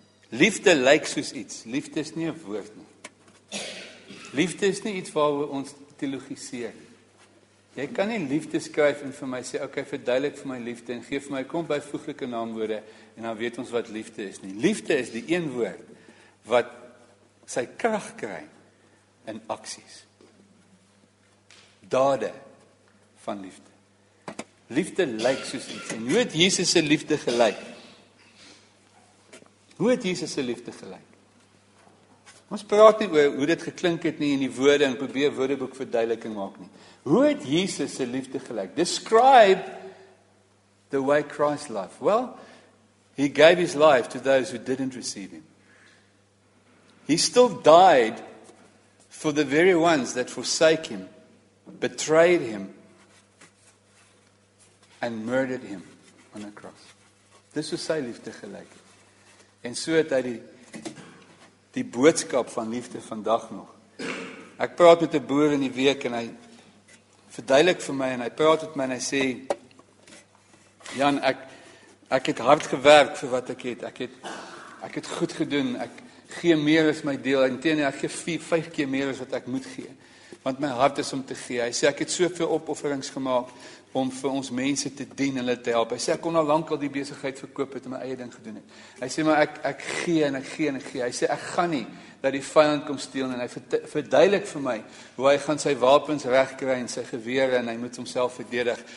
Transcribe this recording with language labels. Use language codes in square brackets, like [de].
[af] Liefde lyk soos iets. Liefde is nie 'n woord nie. Liefde is nie iets waar ons teologiseer. Jy kan nie liefde skryf en vir my sê, okay, verduidelik vir my liefde en geef my kom byvoeglike naamwoorde en dan weet ons wat liefde is nie. Liefde is die een woord wat sy krag kry in aksies. Dade van liefde. Liefde lyk soos iets. En hoe het Jesus se liefde gelyk? Hoe het Jesus se liefde gelyk? Ons praat nie oor hoe dit geklink het nie in die woorde en probeer woordeboek verduideliking maak nie. Hoe het Jesus se liefde gelyk? [en] Describe the way Christ loved. Well, he gave his life to those who didn't receive him. He still died for the very ones that forsake him, betrayed him, and murdered him on a cross. [af] Dis hoe sy liefde gelyk het. En so het hy die boodskap van liefde vandag nog. Ek praat met 'n boer in die week en hy verduidelik vir my en hy praat met my en hy sê, Jan, ek het hard gewerk vir wat ek het. Ek het goed gedoen. Ek gee meer as my deel. Inteendeel, ek gee 4-5 keer meer as wat ek moet gee. Want my hart is om te gee. Hy sê, ek het soveel opofferings gemaak om vir ons mense te dien, hulle te help. Hy sê, ek kon al lank al die besigheid verkoop het en my eie ding gedoen het. Hy sê, maar ek gee en ek gee en ek gee. Hy sê, ek gaan nie dat die vyand kom steel en hy verduidelik vir my hoe hy gaan sy wapens regkry en sy gewere en hy moet homself verdedig.